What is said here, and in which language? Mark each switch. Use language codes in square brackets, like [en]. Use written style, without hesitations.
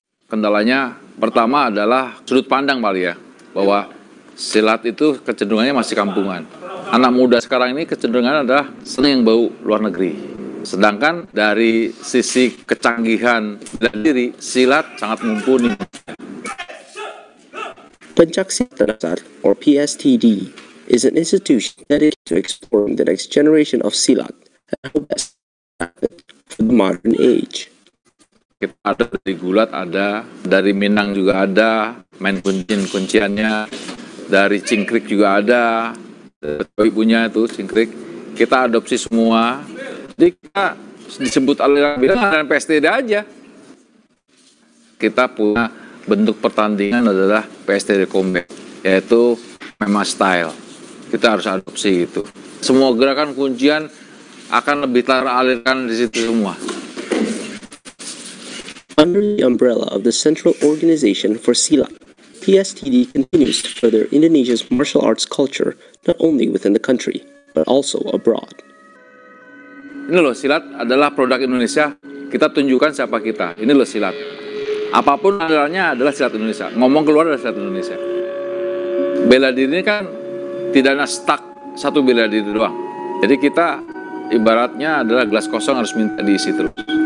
[id] Kendalanya pertama adalah sudut pandang kali ya, bahwa silat itu kecenderungannya masih kampungan. Anak muda sekarang ini kecenderungan adalah seni yang bau luar negeri. Sedangkan dari sisi kecanggihan dan diri, silat sangat mumpuni. [en] Pencaksilat Denasar, or PSTD, is an institution dedicated to exploring the next generation of silat and how best to have it for the modern age. [id] Kita ada dari gulat, ada dari Minang juga ada, main kuncian-kunciannya, dari cingkrik juga ada, dari ibunya itu cingkrik, kita adopsi semua. Jadi kita disebut aliran bilang aliran PSTD aja. Kita punya bentuk pertandingan adalah PSTD combat, yaitu memang style. Kita harus adopsi itu. Semua gerakan kuncian akan lebih teraliran di situ semua. [en] Under the umbrella of the Central Organization for Silat, PSTD continues to further Indonesia's martial arts culture not only within the country, but also abroad. [id] Ini loh, silat adalah produk Indonesia. Kita tunjukkan siapa kita. Ini loh silat. Apapun adalahnya adalah silat Indonesia. Ngomong keluar adalah silat Indonesia. Bela diri ini kan tidak hanya stuck satu bela diri doang. Jadi kita ibaratnya adalah gelas kosong harus minta diisi terus.